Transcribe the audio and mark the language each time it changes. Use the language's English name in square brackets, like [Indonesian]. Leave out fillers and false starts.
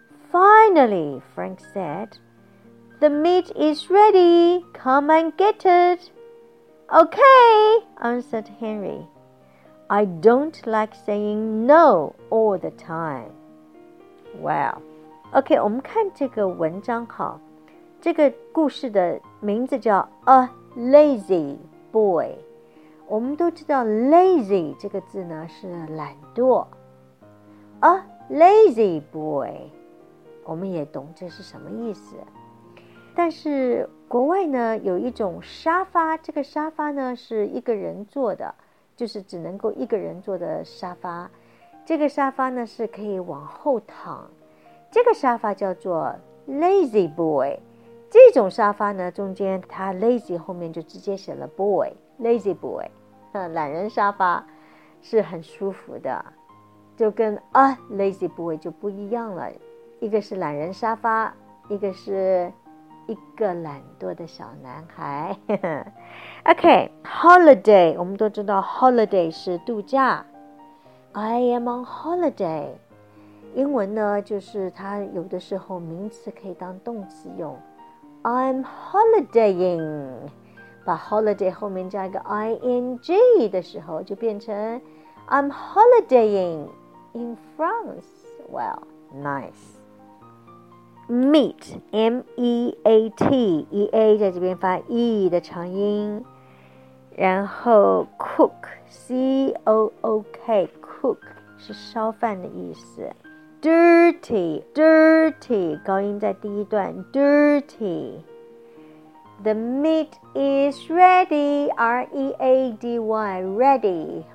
[English] Finally, Frank said, "The meat is ready. Come and get it." "Okay," answered Henry. "I don't like saying no all the time." Wow. [Chinese] OK, 我们看这个文章哈，这个故事的名字叫 A Lazy Boy。我们都知道 lazy 这个字呢是懒惰。 A Lazy Boy， 我们也懂这是什么意思。但是国外呢有一种沙发，这个沙发呢是一个人坐的，就是只能够一个人坐的沙发。这个沙发呢是可以往后躺。这个沙发叫做 Lazy Boy， 这种沙发呢中间它 Lazy 后面就直接写了 Boy， Lazy Boy， 懒人沙发是很舒服的，就跟 A Lazy Boy 就不一样了，一个是懒人沙发，一个是一个懒惰的小男孩。 OK， Holiday， 我们都知道 Holiday 是度假， [English] I am on holiday。 [Chinese] 英文呢就是它有的时候名词可以当动词用， [English] I'm holidaying， [Chinese] 把 holiday 后面加一个 ing 的时候就变成 [English] I'm holidaying in France。 Well, nice. [Chinese] Meat, M-E-A-T， E-A 在这边发 E 的长音，然后 cook， C-O-O-K， cook 是烧饭的意思。 [English] Dirty, dirty, [Chinese] 高音在第一段 [English] dirty. The meat is ready, R-E-A-D-Y, ready.